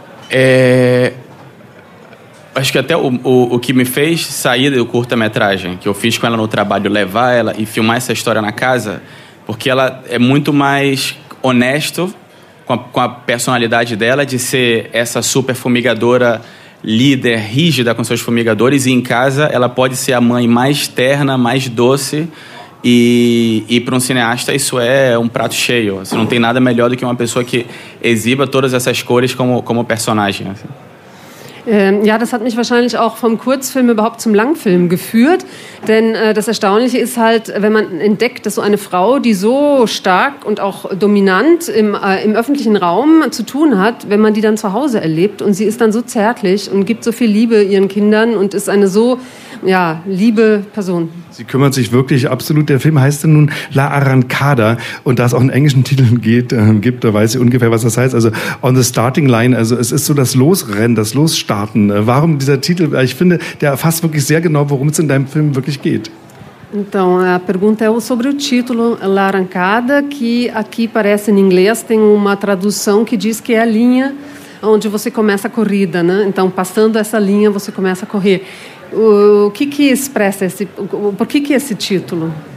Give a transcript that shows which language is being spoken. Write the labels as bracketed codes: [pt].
[pt] É, acho que até o que me fez sair do curta-metragem que eu fiz com ela no trabalho, levar ela e filmar essa história na casa, porque ela é muito mais honesto com a personalidade dela, de ser essa super fumigadora líder, rígida com seus fumigadores, e em casa ela pode ser a mãe mais terna, mais doce, e para um cineasta isso é um prato cheio. Assim, não tem nada melhor do que uma pessoa que exiba todas essas cores como personagem. Assim. [de] Ja, das hat mich wahrscheinlich auch vom Kurzfilm überhaupt zum Langfilm geführt. Denn das Erstaunliche ist halt, wenn man entdeckt, dass so eine Frau, die so stark und auch dominant im öffentlichen Raum zu tun hat, wenn man die dann zu Hause erlebt und sie ist dann so zärtlich und gibt so viel Liebe ihren Kindern und ist eine so, ja, liebe Person. Sie kümmert sich wirklich absolut. Der Film heißt nun La Arrancada und da es auch einen englischen Titel gibt, da weiß sie ungefähr, was das heißt. Also On the Starting Line, also es ist so das Losrennen, das Losstarten. Warum dieser Titel? Ich finde, der erfasst wirklich sehr genau, worum es in deinem Film wirklich geht. [pt] Então, a pergunta é sobre o título La Arrancada, que aqui parece em inglês, tem uma tradução que diz que é a linha onde você começa a corrida, né? Então, passando essa linha, você começa a correr. O que expressa esse... Por que esse título?